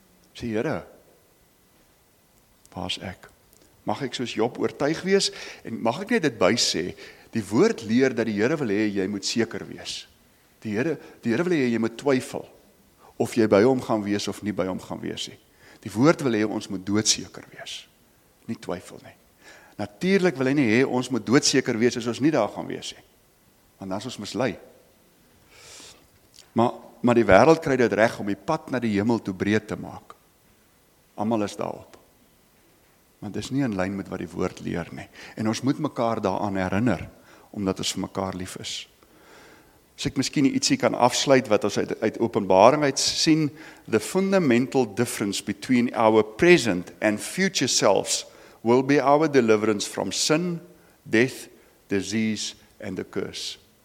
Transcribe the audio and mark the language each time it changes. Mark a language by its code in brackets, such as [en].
[af] Sê, Here, waar is ek? Mag ek soos Job oortuig wees? En mag ek net dit bysê, die woord leer dat die Here wil hê, jy moet seker wees. Die Here wil hê, jy moet twyfel, of jy by hom gaan wees, of nie by hom gaan wees. Die woord wil hê, ons moet doodseker wees. Nie twyfel nie. Natuurlijk wil hy nie hê, ons moet doodseker wees, as ons nie daar gaan wees. Want dan is ons mislei. Maar die wêreld kry dit reg om die pad na die hemel toe breed te maak. Almal is daarop. Want dit is nie in lyn met wat die woord leer nie. En ons moet mekaar daaraan herinner, omdat ons vir mekaar lief is. As ek miskien ietsie kan afsluit wat ons uit openbaring uit sien, [en] the fundamental difference between our present and future selves will be our deliverance from sin, death, disease, and the curse.